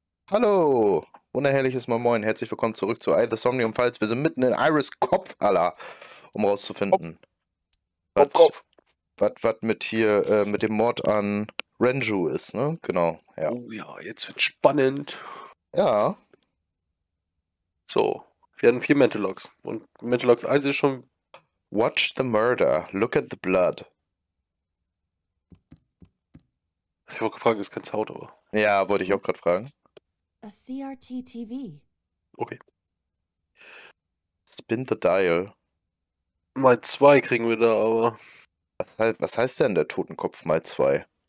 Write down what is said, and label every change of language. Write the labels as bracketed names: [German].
[German] Hallo, unerhörliches Mal Moin, herzlich willkommen zurück zu I the Somnium Files. Wir sind mitten in Iris Kopf, Alter, um rauszufinden, Kopf, Kopf. was mit hier, mit dem Mord an Renju ist, ne? Genau, ja. Oh ja, jetzt wird's spannend. Ja. So, wir haben vier Mental Locks. Und Mental Locks 1 ist schon. [English] Watch the murder, look at the blood. [German] Ich wollte fragen, ist kein Sound, aber. Ja, wollte ich auch gerade fragen. [English] A CRT-TV. [German] Okay. [English] Spin the dial. [German] Mal zwei kriegen wir da aber. Was heißt denn der Totenkopf mal zwei?